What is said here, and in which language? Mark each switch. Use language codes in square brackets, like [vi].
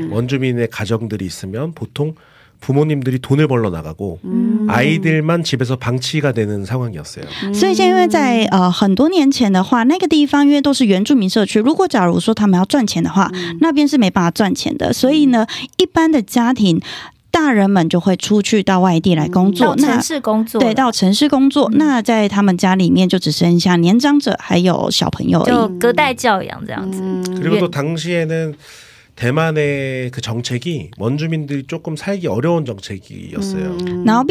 [zh] 更正确来说是为了要去拯救那些原住民的家庭，让他们能够再次的重新活过来，所以他就创造了这个园区。那让他们重新活过来这个意思，可以更具体的。 [ko] 그 당시에는 시골이고 아무것도 없으니까 원주민의 가정들이 있으면 보통 부모님들이 돈을 벌러 나가고 아이들만 집에서 방치가 되는 상황이었어요. [zh] 所以现在在很多年前的话，那个地方因为都是原住民社区，如果假如说他们要赚钱的话，那边是没办法赚钱的。所以呢，一般的家庭，大人们就会出去到外地来工作，到城市工作。对，到城市工作。那在他们家里面就只剩下年长者还有小朋友。就隔代教养这样子。 [ko] 그리고 또 당시에는 대만의 그 정책이 원주민들이 조금 살기 어려운 정책이었어요.